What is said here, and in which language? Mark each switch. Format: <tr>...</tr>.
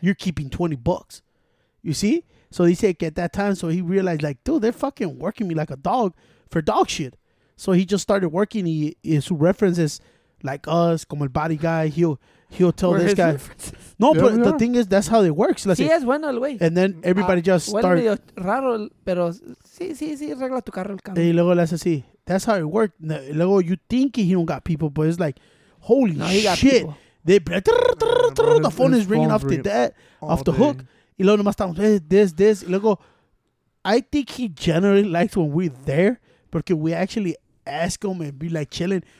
<en>You're keeping $20. You see? So he said, at that time, so he realized, like, dude, they're fucking working me like a dog for dog shit. So he just started working. His references, like us,</en> <es>como el body guy,</es> <en>he'll tell this guy. No, yeah, but the thing is, that's how it works.</en> <es>Sí, es bueno el güey.</es> <en>And then everybody just started.</en> <es>Bueno, medio raro, pero sí, arregla tu carro el cambio. Y luego le hace así.</es> <en>That's how it worked. And luego you think he don't got people, but it's like, holy shit. The phone is ringing off the hook.</en> <es>Y luego nomás estamos,</es> <en>this. Y luego, I think he generally likes when we're there porque we actually ask him and be like chilling.</en>